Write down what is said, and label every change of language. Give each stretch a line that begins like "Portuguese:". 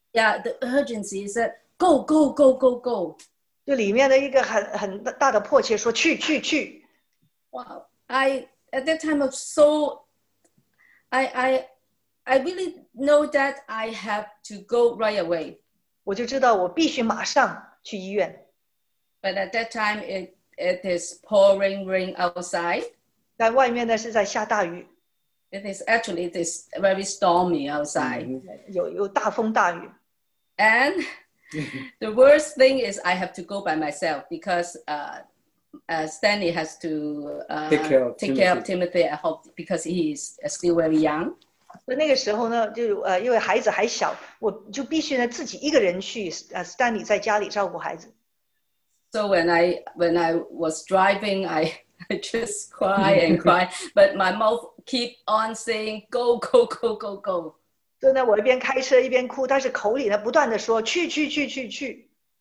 English: Yeah, the urgency is that go, go, go, go, go.
Chinese: 就里面的一个很大的迫切说去去去。
English: Wow, I really know that I have to go right away.
Chinese: 我就知道我必须马上去医院。
English: But at that time, it is pouring rain outside.
Chinese: 在外面呢是在下大雨。
English: It is very stormy outside.
Chinese: Mm-hmm. 有大风大雨。
English: And the worst thing is I have to go by myself because Stanley has to take care of Timothy at home because he is still very young.
Chinese: 那个时候呢,因为孩子还小,我就必须自己一个人去 Stanley在家里照顾孩子。
English: So when I was driving, I just cry and cry, but my mouth keep on saying, go, go, go, go, go.
Chinese: 所以呢,我一边开车一边哭,但是口里呢,不断地说,去,去,去,去,去。